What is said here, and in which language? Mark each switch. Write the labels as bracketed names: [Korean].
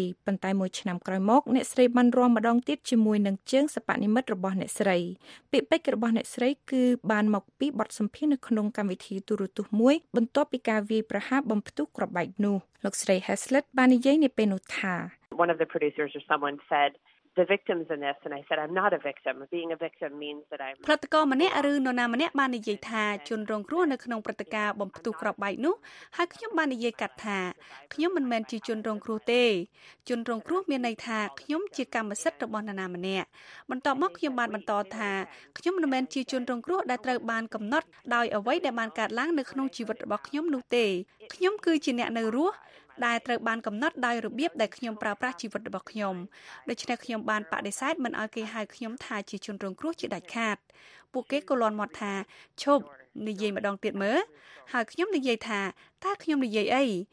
[Khmer] ន្តែមួយឆ្នាំក្រោយមកអ្នកស្រីបានរំម្ដងទៀតជាមួយនឹងជើងសពនិមិត្តរបស់អ្នកស្រីពាក្យពេចន៍របស់អ្នកស្រីគឺបានមកពីបទសម្ភាសន៍នៅក្នុងកម្មវិធីទូរទស្សន៍មួយបន្ទាប់ពីការវាយប្រហារបំផ្ទុះក្របបែកនោះលោកស្រី Haslett បាននិយាយនៅពេលនោះថា [English] One of the producers or someone said the victims in this and I said I'm not a victim being a victim means that I'm [Khmer] ផ្លិតកោម្នាក់ឬនរណាម្នាក់បាននិយាយថាជនរងគ្រោះនៅក្នុងព្រឹត្តិការណ៍បំផ្ទុះក្របបែកនោះហើយខ្ញុំបាននិយាយកាត់ថាខ្ញុំមិនមែនជាជនរងគ្រោះទេ ជនរងគ្រោះមានន័យថាខ្ញុំជាកម្មសិទ្ធិរបស់នរណាម្នាក់បន្ទាប់មកខ្ញុំបានបន្តថាខ្ញុំមិនមែនជាជនរងគ្រោះដែលត្រូវបានកំណត់ដោយអ្វីដែលបានកើតឡើងនៅក្នុងជីវិតរបស់ខ្ញុំនោះទេខ្ញុំគឺជាអ្នកនៅរស់ដែលត្រូវបានកំណត់ដោយរបៀបដែលខ្ញុំប្រើប្រាស់ជីវិតរបស់ខ្ញុំដូច្នេះខ្ញុំបានបដិសេធមិនឲ្យគេហៅខ្ញុំថាជាជនរងគ្រោះជាដាច់ខាតពួកគេក៏លាន់មាត់ថាឈប់និយាយម្ដងទៀតមើលហើយខ្ញុំនិយាយថាតើខ្ញុំនិយាយអី